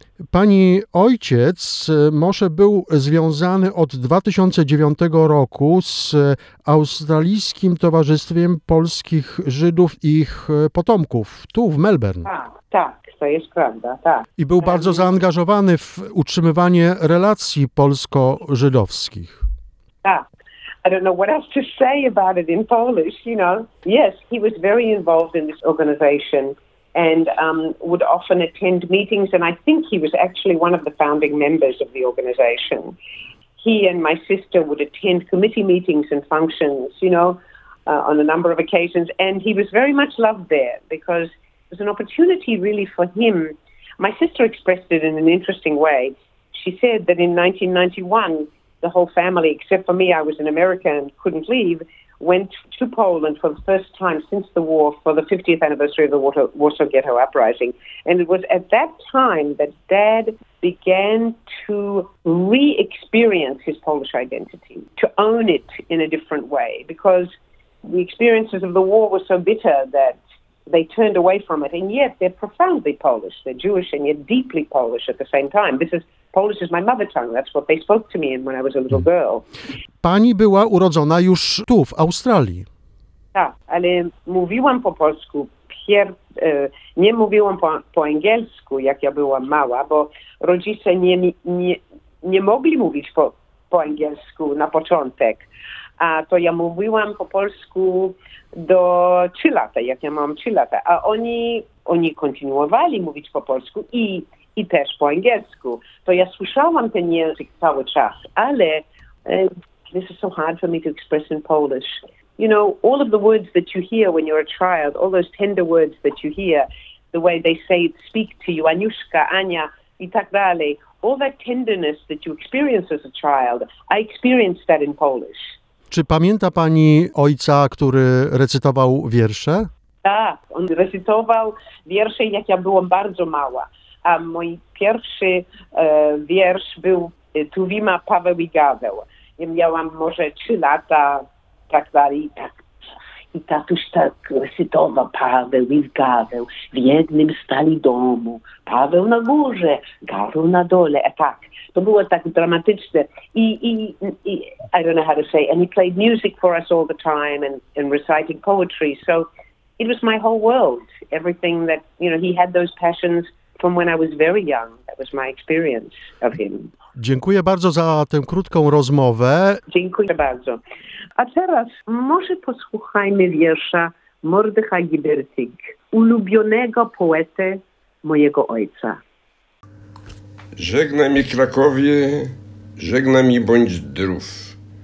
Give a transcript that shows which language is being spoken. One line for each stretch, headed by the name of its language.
Polish: Pani ojciec Moshe był związany od 2009 roku z Australijskim Towarzystwem Polskich Żydów i ich potomków, tu w Melbourne. Tak, to jest prawda, tak. I był bardzo zaangażowany w utrzymywanie relacji polsko-żydowskich.
English: Tak. I don't know what else to say about it in Polish, you know. Yes, he was very involved in this organization. And would often attend meetings, and I think he was actually one of the founding members of the organization. He and my sister would attend committee meetings and functions, you know, on a number of occasions, and he was very much loved there because it was an opportunity really for him. My sister expressed it in an interesting way. She said that in 1991, the whole family, except for me, I was in America and couldn't leave, went to Poland for the first time since the war for the 50th anniversary of the Warsaw Ghetto Uprising. And it was at that time that Dad began to re-experience his Polish identity, to own it in a different way, because the experiences of the war were so bitter that they turned away from it. And yet they're profoundly Polish. They're Jewish and yet deeply Polish at the same time. This is Polish is my mother tongue. That's what they spoke to me in when I was a little girl.
Polish: Pani była urodzona już tu, w Australii. Tak, ale mówiłam po polsku. Nie mówiłam po angielsku, jak ja byłam mała, bo rodzice nie mogli mówić po angielsku na początek. A to ja mówiłam po polsku do 3 lata, jak ja mam 3 lata. A oni kontynuowali mówić po polsku i też po angielsku. To ja słyszałam ten język cały czas, ale
English: this is so hard for me to express in Polish. You know, all of the words that you hear when you're a child, all those tender words that you hear, the way they say it, speak to you, Aniuszka, Ania,
Polish: i tak dalej,
English: all that tenderness that you experience as a child, I experienced that in Polish.
Polish: Czy pamięta pani ojca, który recytował wiersze? Tak, on recytował wiersze, jak ja byłam bardzo mała. A mój pierwszy wiersz był Tu wima Paweł i Gaweł. Ja miałam może 3 lata, tak dalej. Tak. I tatuś tak recytował Paweł i Gaweł. W jednym stali domu. Paweł na górze, Gaweł na dole. A tak, to było tak dramatyczne.
English: I I don't know how to say. And he played music for us all the time and recited poetry. So it was my whole world. Everything that, you know, he had those passions from when I was very young. That was my experience of him.
Polish: Dziękuję bardzo za tę krótką rozmowę. Dziękuję bardzo. A teraz może posłuchajmy wiersza Mordechaja Gibertyga, ulubionego poety mojego ojca. Żegnaj mi Krakowie, żegnaj mi bądź drów.